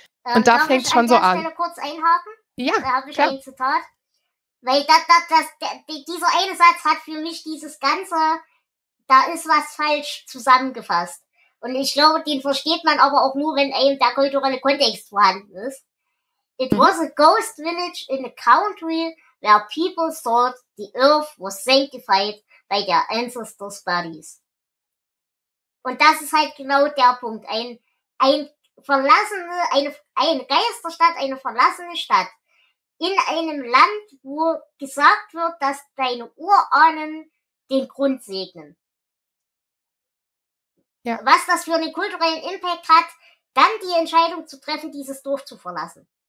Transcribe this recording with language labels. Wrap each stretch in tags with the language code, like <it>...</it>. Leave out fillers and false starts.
<de>Und da fängt es schon so an. Darf ich an der Stelle kurz einhaken? Ja, da habe ich ein Zitat. Weil dieser eine Satz hat für mich dieses ganze, da ist was falsch, zusammengefasst. Und ich glaube, den versteht man aber auch nur, wenn eben der kulturelle Kontext vorhanden ist.</de> <en>It was a ghost village in a country where people thought the earth was sanctified by their ancestors' bodies.</en> <de>Und das ist halt genau der Punkt. Eine Geisterstadt, eine verlassene Stadt in einem Land, wo gesagt wird, dass deine Urahnen den Grund segnen. Ja. Was das für einen kulturellen Impact hat, dann die Entscheidung zu treffen, dieses Dorf zu verlassen.</de>